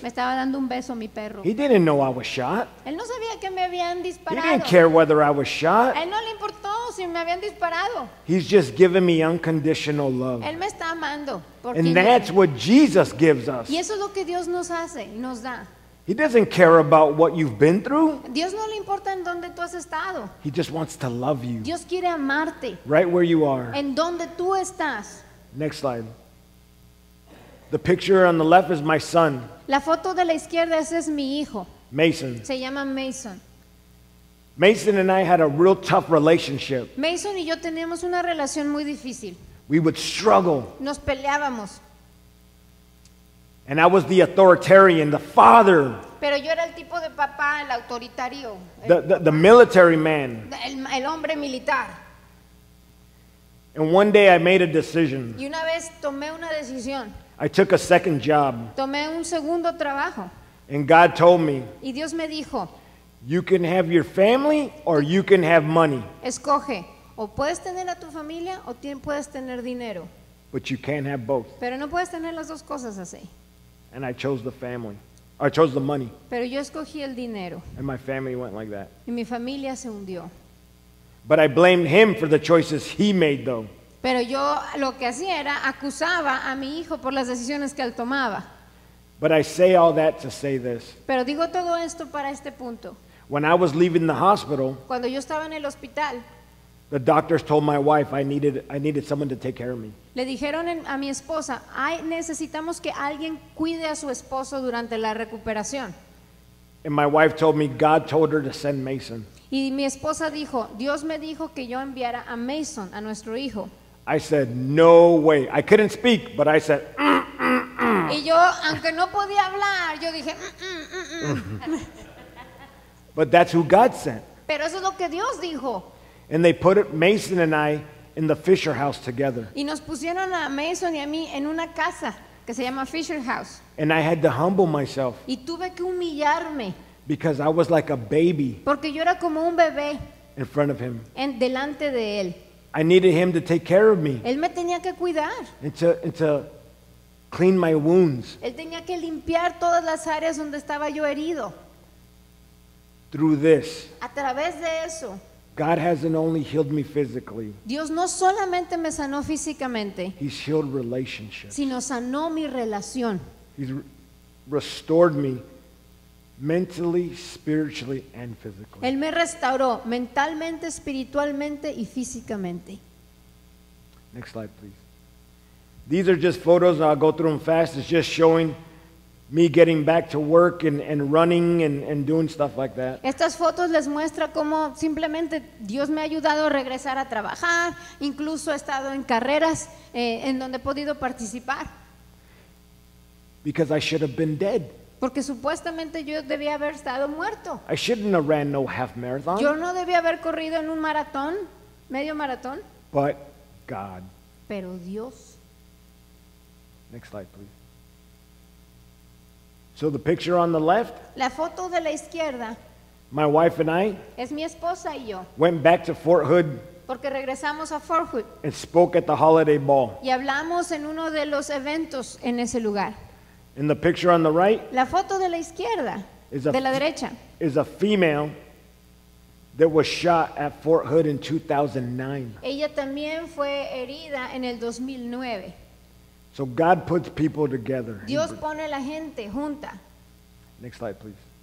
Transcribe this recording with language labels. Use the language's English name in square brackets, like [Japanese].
[Spanish] Me estaba dando un beso mi perro. [English] He didn't know I was shot. [Spanish] Él no sabía que me habían disparado. [English] He didn't care whether I was shot. [Spanish] Él no le importó si me habían disparado. [English] He's just giving me unconditional love. [Spanish] Él me está amando. [English] And that's what Jesus gives us. [Spanish] Y eso es lo que Dios nos hace, nos da. [English] He doesn't care about what you've been through. [Spanish] Dios no le importa en dónde tú has estado. [English] He just wants to love you. [Spanish] Dios quiere amarte. [English] Right where you are. [Spanish] En donde tú estás. [English] Next slide. The picture on the left is my son. [Spanish] La foto de la izquierda, ese es mi hijo. [English] Mason. [Spanish] Se llama Mason. [English] Mason and I had a real tough relationship. [Spanish] Mason y yo teníamos una relación muy difícil. [English] We would struggle. [Spanish] Nos peleábamos. [English] And I was the authoritarian, the father. [Spanish] Pero yo era el tipo de papá, el autoritario. [English] The military man. [Spanish] El hombre militar. [English] And one day I made a decision. [Spanish] Y una vez tomé una decisión. [English] I took a second job. [Spanish] Tomé un segundo trabajo. [English] And God told me. [Spanish] Y Dios me dijo. [English] You can have your family or you can have money. [Spanish] Escoge, o puedes tener a tu familia o puedes tener dinero. [English] But you can't have both. [Spanish] Pero no puedes tener las dos cosas así. [English] And I chose the family. I chose the money. [Spanish] Pero yo escogí el dinero. [English] And my family went like that. [Spanish] Y mi familia se hundió. [English] But I blamed him for the choices he made though. [Spanish] Pero yo lo que hacía era acusaba a mi hijo por las decisiones que él tomaba. [English] But I say all that to say this. [Spanish] Pero digo todo esto para este punto. [English] When I was leaving the hospital, [Spanish] cuando yo estaba en el hospital, [English] the doctors told my wife I needed someone to take care of me. [Spanish] Le dijeron a mi esposa, necesitamos que alguien cuide a su esposo durante la recuperación. [English] And my wife told me God told her to send Mason. [Spanish] Y mi esposa dijo, Dios me dijo que yo enviara a Mason, a nuestro hijo. [English] I said, no way. I couldn't speak, but I said, [Spanish] Y yo, aunque no podía hablar, yo dije, [English] But that's who God sent. [Spanish] Pero eso es lo que Dios dijo. [English] And they put Mason and I in the Fisher House together. [Spanish] Y nos pusieron a Mason y a mí en una casa que se llama Fisher House. [English] And I had to humble myself. [Spanish] Y tuve que humillarme. [English] Because I was like a baby. [Spanish] Porque yo era como un bebé. [English] In front of him. [Spanish] En delante de él. [English] I needed him to take care of me. [Spanish] Él me tenía que cuidar. [English] And to clean my wounds. [Spanish] Él tenía que limpiar todas las áreas donde estaba yo herido. [English] Through this. [Spanish] A través de eso. [English] God hasn't only healed me physically. [Spanish] Dios no solamente me sanó físicamente. [English] He's healed relationships. [Spanish] Sino sanó mi relación. [English] He's restored me. Mentally, spiritually, and physically. [Spanish] Él me restauró mentalmente, espiritualmente y físicamente. [English] Next slide, please. These are just photos. I'll go through them fast. It's just showing me getting back to work and running and doing stuff like that. [Spanish] Estas fotos les muestra cómo simplemente Dios me ha ayudado a regresar a trabajar. Incluso he estado en carreras en donde he podido participar. [English] Because I should have been dead. [Spanish] Porque supuestamente yo debía haber estado muerto. [English] I shouldn't have ran no half marathon. [Spanish] Yo no debía haber corrido en un maratón, medio maratón. [English] But God. [Spanish] Pero Dios. [English] Next slide, please. So the picture on the left. [Spanish] La foto de la izquierda. [English] My wife and I. [Spanish] Es mi esposa y yo. [English] Went back to Fort Hood. [Spanish] Porque regresamos a Fort Hood. [English] And spoke at the Holiday Ball. [Spanish] Y hablamos en uno de los eventos en ese lugar. [English] In the picture on the right, [Spanish] la foto de la izquierda, de la derecha, [English] is a female that was shot at Fort Hood in 2009. [Spanish] Ella también fue herida en el 2009. [English] So God puts people together. [Spanish] Dios pone la gente junta. [English] Next slide, please.